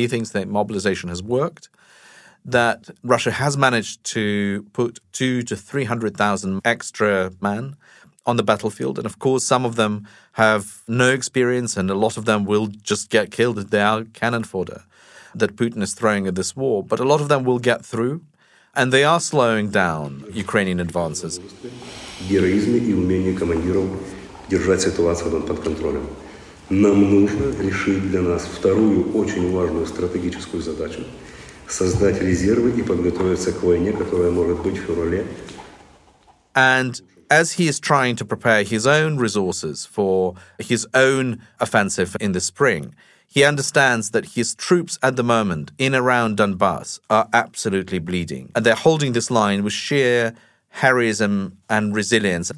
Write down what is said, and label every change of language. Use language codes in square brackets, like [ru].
[en] He thinks that mobilization has worked, that Russia has managed to put 200,000 to 300,000 extra men on the battlefield. And of course, some of them have no experience and a lot of them will just get killed. They are cannon fodder that Putin is throwing at this war. But a lot of them will get through and they are slowing down Ukrainian advances. [ru] Героизм и умение командиров держать ситуацию под контролем. Нам нужно решить для нас вторую очень важную стратегическую задачу. Создать резервы и подготовиться к войне, которая может быть в феврале. [en] And as he is trying to prepare his own resources for his own offensive in the spring, he understands that his troops at the moment in around Donbass are absolutely bleeding. And they're holding this line with sheer heroism and resilience.